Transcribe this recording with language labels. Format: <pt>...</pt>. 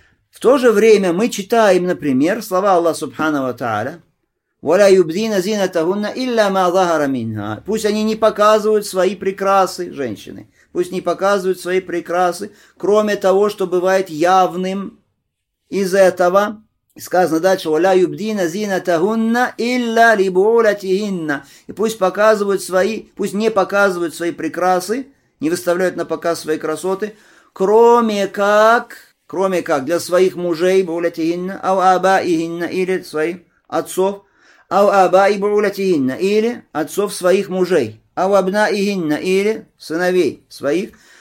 <ru>В то же время мы читаем, например, слова Аллаха Субхана ва Тааля.</ru> <ar>وَلَا يُبْدِينَ زِينَتَهُنَّ إِلَّا مَا ظَهَرَ مِنْهَا.</ar> <ru>Пусть они не показывают свои прекрасы, женщины. Пусть не показывают свои прекрасы, кроме того, что бывает явным из этого. Сказано дальше,</ru> <ar>وَلَا يُبْدِينَ زِينَتَهُنَّ إِلَّا لِبُعُولَتِهِنَّ.</ar> <ru>И пусть показывают свои, пусть не показывают свои прекрасы, не выставляют на показ свои красоты, кроме как для своих мужей,</ru> <ar>بُعُولَتِهِنَّ, أَوْ أَبَائِهِنَّ,</ar> <ru>или своих отцов, или отцов своих мужей, или сыновей своих,</ru>